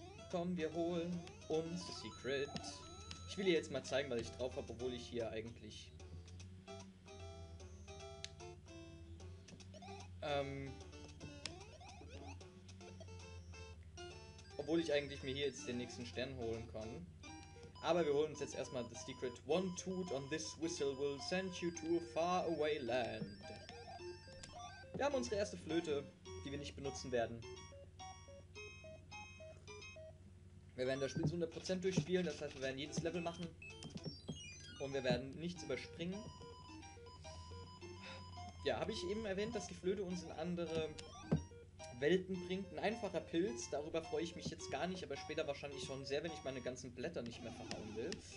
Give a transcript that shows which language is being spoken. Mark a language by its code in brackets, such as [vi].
[de] Komm, wir holen uns das Secret. Ich will dir jetzt mal zeigen, was ich drauf habe, obwohl ich hier eigentlich... obwohl ich eigentlich mir hier jetzt den nächsten Stern holen kann. Aber wir holen uns jetzt erstmal das Secret. [en] One toot on this whistle will send you to a far away land. [de] Wir haben unsere erste Flöte, die wir nicht benutzen werden. Wir werden das Spiel zu 100% durchspielen, das heißt, wir werden jedes Level machen. Und wir werden nichts überspringen. Ja, habe ich eben erwähnt, dass die Flöte uns in andere Welten bringt. Ein einfacher Pilz, darüber freue ich mich jetzt gar nicht, aber später wahrscheinlich schon sehr, wenn ich meine ganzen Blätter nicht mehr verhauen will.